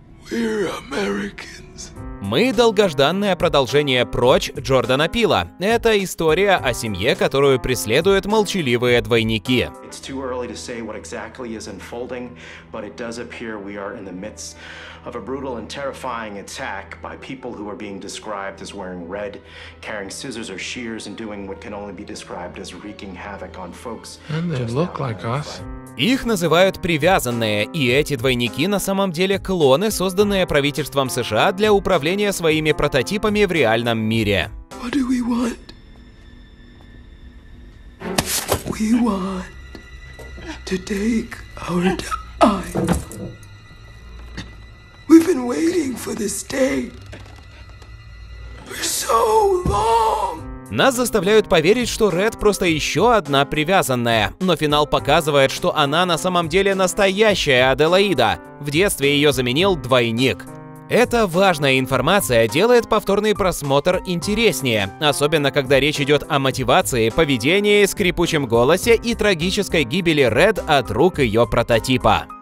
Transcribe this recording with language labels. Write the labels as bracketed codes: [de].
[en] We're Americans. [ru] Мы – долгожданное продолжение «Прочь» Джордана Пила. Это история о семье, которую преследуют молчаливые двойники. [en] It's too early to say what exactly is unfolding, but it does appear we are in the midst of a brutal and terrifying attack by people who are being described as wearing red, carrying scissors or shears, and doing what can only be described as wreaking havoc on folks. And they look like us. [ru] Их называют привязанные, и эти двойники на самом деле клоны, созданные правительством США для управления своими прототипами в реальном мире. [en] What do we want? We want to take our time. We've been waiting for this day for so long. [ru] Нас заставляют поверить, что Ред просто еще одна привязанная. Но финал показывает, что она на самом деле настоящая Аделаида. В детстве ее заменил двойник. Эта важная информация делает повторный просмотр интереснее. Особенно, когда речь идет о мотивации, поведении, скрипучем голосе и трагической гибели Ред от рук ее прототипа.